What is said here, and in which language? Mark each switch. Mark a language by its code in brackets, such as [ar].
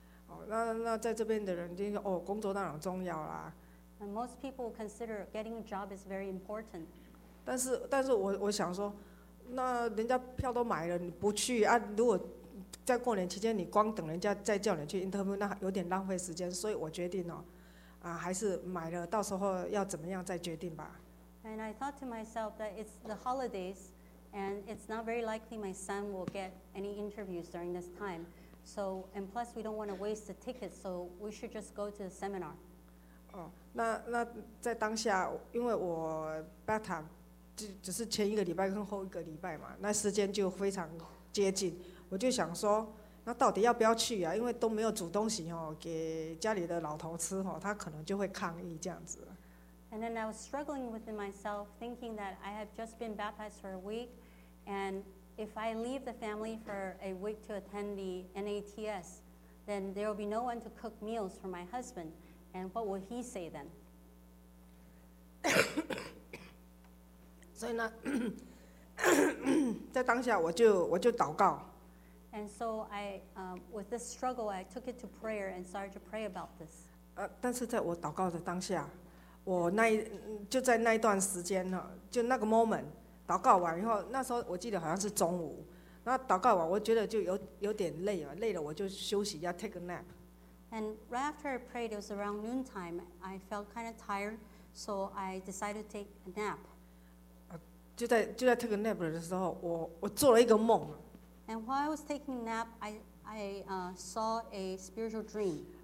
[zh] 哦，那在这边的人就说，哦，工作当然重要啦。 [en] And most people consider getting a job is very important. [zh] 但是我想说，那人家票都买了，你不去啊？如果在过年期间，你光等人家再叫你去 interview， 那有点浪费时间，所以我决定哦，啊，还是买了，到时候要怎么样再决定吧。 [en] And I thought to myself that it's the holidays, and it's not very likely my son will get any interviews during this time. So, and plus we don't want to waste the tickets, so we should just go to the seminar. [zh] 哦，那在当下，因为我 back time 只是前一个礼拜跟后一个礼拜嘛，那时间就非常接近。我就想说，那到底要不要去啊？因为都没有煮东西哦，给家里的老头吃哦，他可能就会抗议这样子。 [en] And then I was struggling within myself, thinking that I have just been baptized for a week, and if I leave the family for a week to attend the NATS, then there will be no one to cook meals for my husband, and what will he say then? [zh] 所以呢，在当下我就祷告。 [en] And so I, with this struggle, I took it to prayer and started to pray about this. [zh] 但是在我祷告的当下，我那一就在那一段时间呢，就那个 moment， 祷告完以后，那时候我记得好像是中午，那祷告完，我觉得就有点累了，累了我就休息一下 ， take a nap. [en] And right after I prayed, it was around noontime. I felt kind of tired, so I decided to take a nap. [zh] 就在 take a nap 的时候，我做了一个梦。 [en] And while I was taking a nap, I saw a spiritual dream.